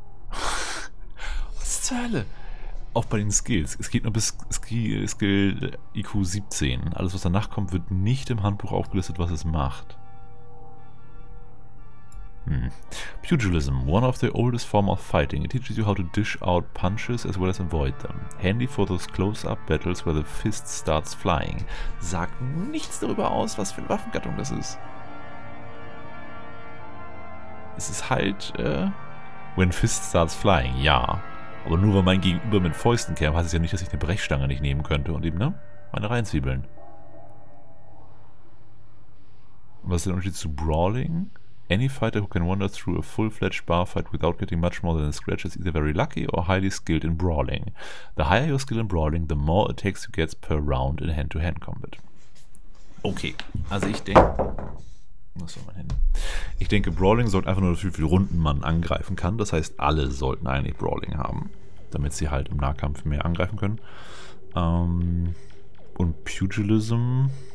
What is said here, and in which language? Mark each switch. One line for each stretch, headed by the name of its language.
German: Was zur Hölle? Auch bei den Skills. Es geht nur bis Skill IQ 17. Alles, was danach kommt, wird nicht im Handbuch aufgelistet, was es macht.
English: Pugilism, one of the oldest forms of fighting. It teaches you how to dish out punches as well as avoid them. Handy for those close-up battles where the fist starts flying.
German: Sagt nichts darüber aus, was für eine Waffengattung das ist. Es ist halt,
English: when fist starts flying,
German: ja. Aber nur, wenn mein Gegenüber mit Fäusten kämpft, heißt es ja nicht, dass ich eine Brechstange nicht nehmen könnte und ihm, ne, meine reinzwiebeln. Was ist der Unterschied zu Brawling?
English: Any fighter who can wander through a full-fledged bar fight without getting much more than a scratch is either very lucky or highly skilled in brawling. The higher your skill in brawling, the more attacks you get per round in hand-to-hand combat.
German: Okay, also ich denke... Was soll mein Handy? Ich denke, brawling sorgt einfach nur dafür, wie viele Runden man angreifen kann. Das heißt, alle sollten eigentlich brawling haben. damit sie halt im Nahkampf mehr angreifen können. Und Pugilism.